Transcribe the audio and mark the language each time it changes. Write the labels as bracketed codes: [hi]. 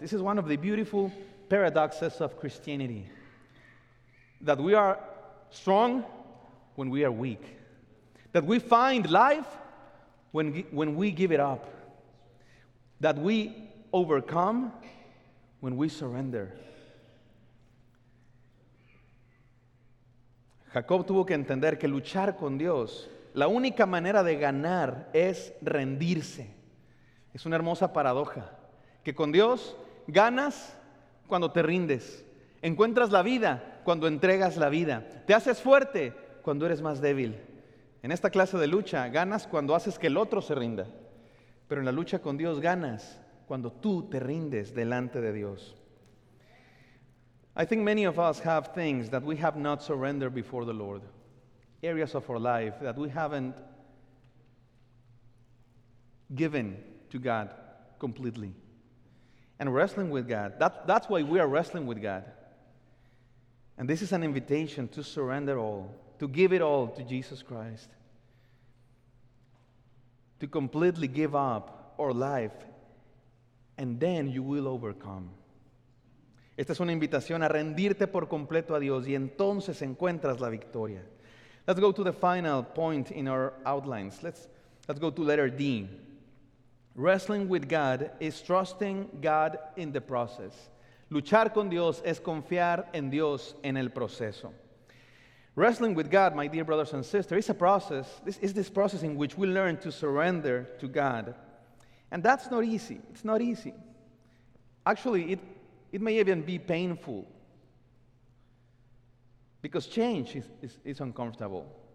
[en] This is one of the beautiful paradoxes of Christianity. That we are strong when we are weak, that we find life when we give it up, that we overcome when we surrender. [es] Jacob tuvo que entender que luchar con Dios, la única manera de ganar es rendirse. Es una hermosa paradoja, que con Dios ganas cuando te rindes, encuentras la vida cuando entregas la vida, te haces fuerte cuando eres más débil. En esta clase de lucha ganas cuando haces que el otro se rinda, pero en la lucha con Dios ganas cuando tú te rindes delante de Dios. [en] I think many of us have things that we have not surrendered before the Lord. Areas of our life that we haven't given to God completely. And wrestling with God, that's why we are wrestling with God. And this is an invitation to surrender all, to give it all to Jesus Christ. To completely give up our life, and then you will overcome. [es] Esta es una invitación a rendirte por completo a Dios y entonces encuentras la victoria. [en] Let's go to the final point in our outlines. Let's go to letter D. Wrestling with God is trusting God in the process. [es] Luchar con Dios es confiar en Dios en el proceso. [en] Wrestling with God, my dear brothers and sisters, is a process. This is this process in which we learn to surrender to God. And that's not easy. It's not easy. Actually, it may even be painful, because change is uncomfortable.